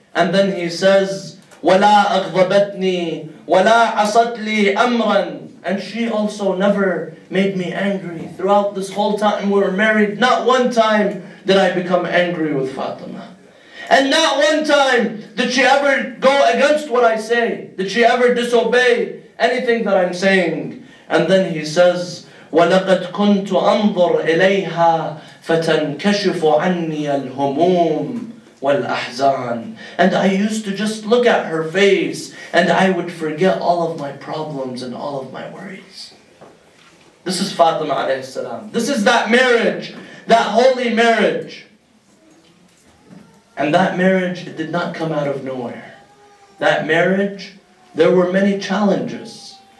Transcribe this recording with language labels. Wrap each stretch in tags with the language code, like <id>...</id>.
<en>And then he says,</en> <ar>وَلَا أَغْضَبَتْنِي وَلَا عَصَتْلِي أَمْرًا</ar> <en>And she also never made me angry. Throughout this whole time we were married, not one time did I become angry with Fatima. And not one time did she ever go against what I say. Did she ever disobey anything that I'm saying. And then he says,</en> <ar>وَلَقَدْ كُنْتُ أَنظُرْ إِلَيْهَا فَتَنْكَشِفُ عَنِّيَ الْهُمُومِ والأحزان.</ar> <en>And I used to just look at her face and I would forget all of my problems and all of my worries. This is Fatima alayhi salam. This is that marriage, that holy marriage. And that marriage, it did not come out of nowhere. That marriage, there were many challenges.</en>